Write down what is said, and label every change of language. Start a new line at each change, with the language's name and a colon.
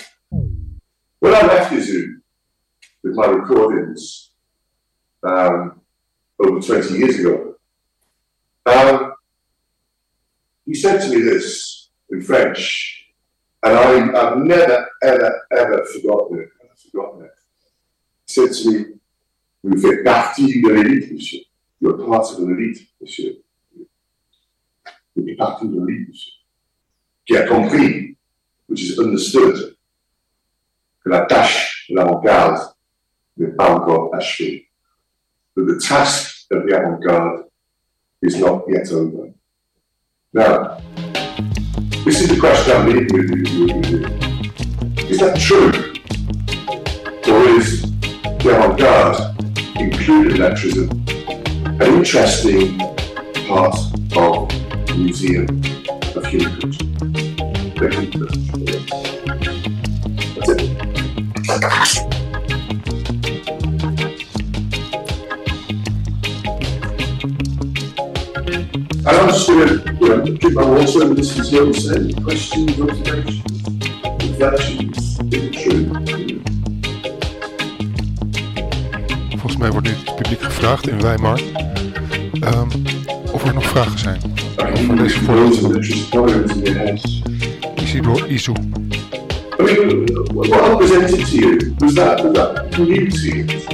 English: When I left Izun with my recordings over 20 years ago, he said to me this in French, and I've never, ever, ever forgotten it.
French: He said to me, "Vous faites partie de l'élite, monsieur.
English: You're part of an elite, monsieur.
French: Vous faites partie de l'élite, monsieur. Qui a compris,
English: which is understood,
French: que la tâche de l'avant-garde n'est pas encore achevée.
English: That the task of the avant-garde is not yet over." Now, this is the question I'm leaving with you. Is that true? Or is the avant-garde, including electricism, an interesting part of the museum of human culture? Thank you. That's it. And I'm just going to, you know, keep my water in the distance here and say, questions, observations, reflections, imagery.
Dutch: Volgens mij wordt nu het publiek gevraagd in Weimar of er nog vragen zijn over deze voorbeelden.
English: Isidro Izu. I mean, what I presented to you was that community.